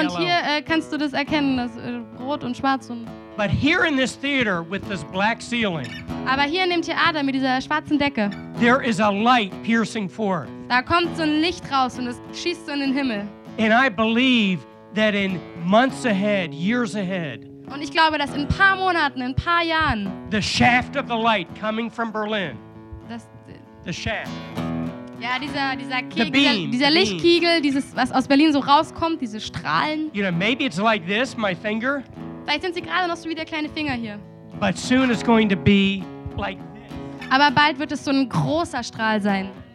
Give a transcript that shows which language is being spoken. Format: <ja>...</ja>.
<de>Also, und hier kannst du das erkennen, das rot und schwarz und.</de> <en>But here in this theater with this black ceiling.</en> <de>Aber hier in dem Theater mit dieser schwarzen Decke.</de> <en>There is a light piercing forth.</en> <de>Da kommt so ein Licht raus und es schießt so in den Himmel.</de> <en>And I believe that in months ahead, years ahead.</en> <de>Und ich glaube, dass in ein paar Monaten, in ein paar Jahren.</de> <en>The shaft of the light coming from Berlin.</en> <de>Das,</de> <en>the shaft.</en> <de>Ja, dieser Kegel,</de> <en>the beam,</en> <de>dieser Lichtkegel, beam. Dieses, was aus Berlin so rauskommt, diese Strahlen.</de> <en>You know, maybe it's like this, my finger.</en> <de>Vielleicht sind sie gerade noch so wie der kleine Finger hier.</de> <en>But soon it's going to be like this.</en> <de>Aber bald wird es so ein großer Strahl sein.</de>